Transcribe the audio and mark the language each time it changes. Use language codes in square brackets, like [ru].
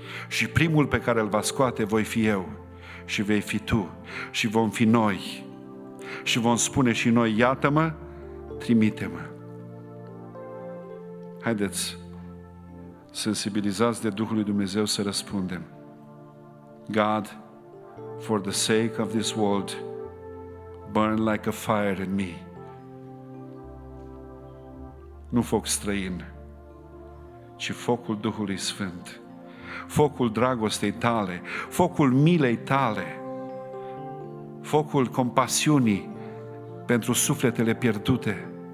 [ro] Și primul pe care îl va scoate voi fi eu și vei fi tu și vom fi noi. Și vom spune și noi, iată-mă, trimite-mă. Haideți, sensibilizați de Duhul lui Dumnezeu să răspundem. [en] God, for the sake of this world, burn like a fire in me. [ro] Nu foc străin, ci focul Duhului Sfânt, focul dragostei Tale, focul milei Tale, focul compasiunii pentru sufletele pierdute.